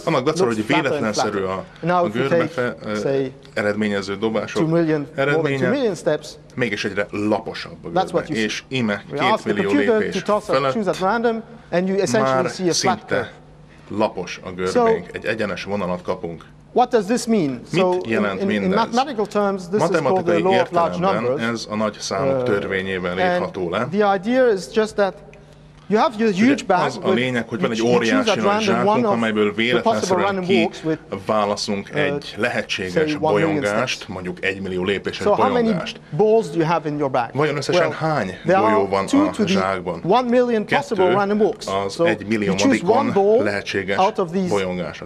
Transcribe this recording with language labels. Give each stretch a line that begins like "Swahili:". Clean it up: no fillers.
Hungarian: Annak dacára, hogy véletlenszerű a görbe eredményező dobások eredménye, mégis egyre laposabb a görbe. És íme 2 millió lépés felett már szinte lapos a görbénk, egy egyenes vonalat kapunk.
English: What does this mean?
Hungarian: Mit jelent mindez?
English: In mathematical terms, this is called the law of large numbers.
Hungarian: Ez a nagy számok törvényében látható le.
English: The idea is just that you have your huge bag.
Hungarian: Az a lényeg, hogy van egy óriási nagy zsákunk, amelyből véletlenszerűen kiválaszunk egy lehetséges bolyongást, mondjuk 1 millió lépéses bolyongást.
English: Balls do you have in your bag?
Hungarian: Vajon összesen hány golyó van a zsákban?
English: 1 million possible random walks.
Hungarian: Az 1 milliomadikon lehetséges bolyongásra.